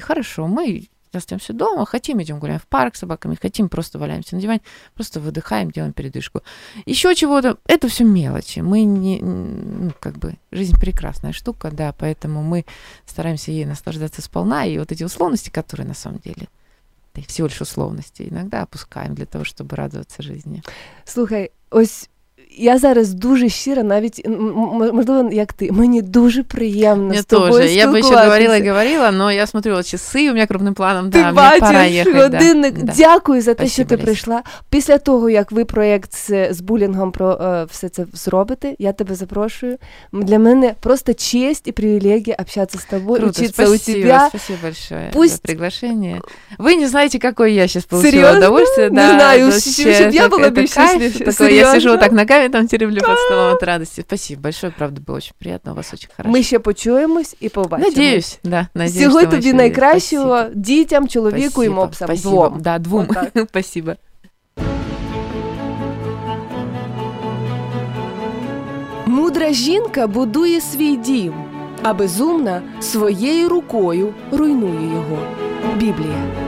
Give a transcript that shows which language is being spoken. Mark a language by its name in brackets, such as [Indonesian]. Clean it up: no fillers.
[Russian] Хорошо, мы остаемся дома, хотим, идем гуляем в парк с собаками, хотим, просто валяемся на диване, просто выдыхаем, делаем передышку. Еще чего-то, это все мелочи. Мы не, ну, как бы, жизнь прекрасная штука, да, поэтому мы стараемся ей наслаждаться сполна, и вот эти условности, которые на самом деле, да, всего лишь условности, иногда опускаем для того, чтобы радоваться жизни. [Ukrainian] Слухай, ось я зараз дуже щира, навіть, можливо, як ти, мені дуже приємно мені з тобою теж. Спілкуватися. Я би ще говорила і говорила, але [Russian] я смотрю, [Ukrainian] ось часи у мене крупним планом, ти, да, бачиш, мені пора їхати. Ти бачиш, годинник, да. Дякую за те, що ти прийшла. Після того, як ви проєкт з булінгом про все це зробите, я тебе запрошую. Для мене просто честь і привілегія общатися з тобою, круто, учитися спасибо, у тебе. [Russian] Спасибо большое за приглашення. [Ukrainian] Ви не знаєте, якою я зараз [Russian] получила удовольствие. [Ukrainian] Не да, знаю, щоб я була більш щаслива. [Russian] Я сижу так на я там теревлю под столом от радости. Спасибо большое, правда, было очень приятно. У вас очень хорошо. Мы еще [Ukrainian] почуемось и побачимось. [Russian] Надеюсь, да. Надеюсь, [Ukrainian] всего тобі найкращого дітям, чоловіку і мопсам. [Russian] Спасибо. Двум. Да, двум. Вот спасибо. [Ukrainian] Мудра жінка будує свій дім, а безумна своєю рукою руйнує його. Біблія.